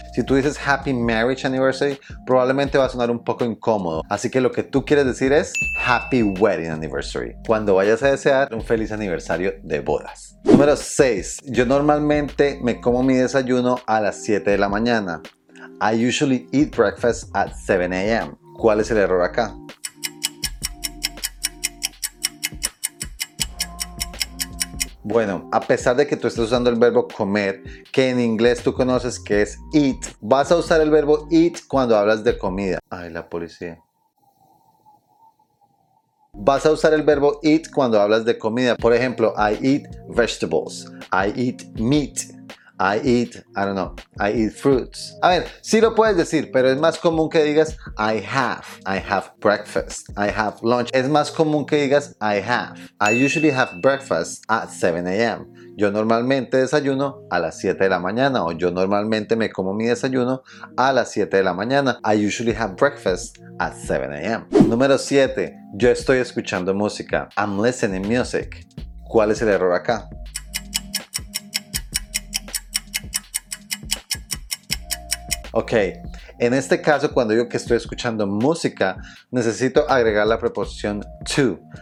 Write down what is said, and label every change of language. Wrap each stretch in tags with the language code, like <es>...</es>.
<es>Si tú dices</es> <en>happy marriage anniversary,</en> <es>probablemente va a sonar un poco incómodo. Así que lo que tú quieres decir es</es> <en>happy wedding anniversary</en> <es>cuando vayas a desear un feliz aniversario de bodas. Número 6. Yo normalmente me como mi desayuno a las 7 de la mañana.</es> <en>I usually eat breakfast at 7 a.m.</en> <es>¿Cuál es el error acá? Bueno, a pesar de que tú estés usando el verbo comer, que en inglés tú conoces que es eat, vas a usar el verbo eat cuando hablas de comida. Ay, la policía. Vas a usar el verbo eat cuando hablas de comida. Por ejemplo,</es> <en>I eat vegetables. I eat meat. I eat fruits.</en> <es>A ver, sí lo puedes decir, pero es más común que digas</es> <en>I have breakfast, I have lunch.</en> <es>Es más común que digas</es> <en>I usually have breakfast at 7 a.m.</en> <es>Yo normalmente desayuno a las 7 de la mañana, o yo normalmente me como mi desayuno a las 7 de la mañana.</es> <en>I usually have breakfast at 7 a.m.</en> <es>Número 7. Yo estoy escuchando música.</es> <en>I'm listening music.</en> <es>¿Cuál es el error acá? Ok, en este caso, cuando digo que estoy escuchando música, necesito agregar la preposición to.</es>